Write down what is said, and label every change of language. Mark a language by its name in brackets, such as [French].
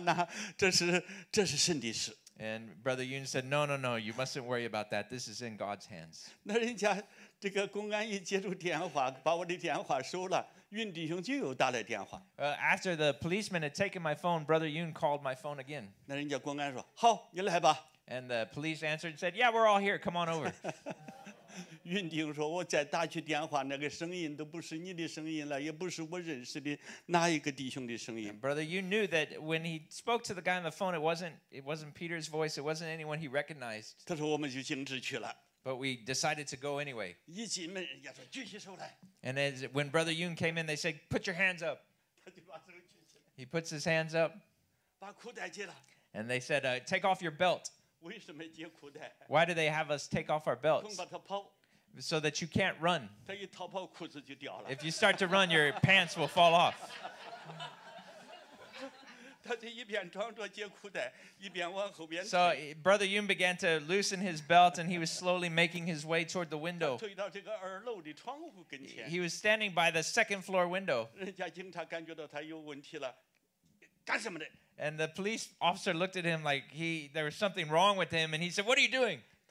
[Chinese] 云弟兄说，那，这是神的事。 [English] And Brother Yun said, no, you mustn't worry about that. This is in God's hands." [Chinese] 那人家这个公安一接住电话，把我的电话收了。 [English] After the policeman had taken my phone, Brother Yun called my phone again. [Chinese] 那人家公安说，好，你来吧。 [English] And the police answered and said, "Yeah, we're all here. Come on over." [Chinese] 云弟兄说，我再打去电话，那个声音都不是你的声音了，也不是我认识的哪一个弟兄的声音。 [English] Brother Yun knew that when he spoke to the guy on the phone, it wasn't Peter's voice. It wasn't anyone he recognized. [Chinese] 他说，我们就径直去了。 [English] But we decided to go anyway. [Chinese] 一进门，人家说举起手来。 [English] And as when Brother Yun came in, they said, "Put your hands up." [Chinese] 他就把手举起来。 [English] He puts his hands up. [Chinese] 把裤带解了。 [English] And they said, "Take off your belt." [Chinese] 为什么解裤带？ [English] Why do they have us take off our belts? [Chinese] 恐怕他跑。 [English] So that you can't run. [Chinese] 他一逃跑，裤子就掉了。 [English] If you start to run, your pants will fall off. [Chinese] 他就一边装着解裤带，一边往后边。 [English] So Brother Yun began to loosen his belt, and he was slowly making his way toward the window. [Chinese] 推到这个二楼的窗户跟前。 [English] He was standing by the second floor window. [Chinese] 人家警察感觉到他有问题了，干什么的？ [English] And the police officer looked at him like there was something wrong with him, and he said, "What are you doing?"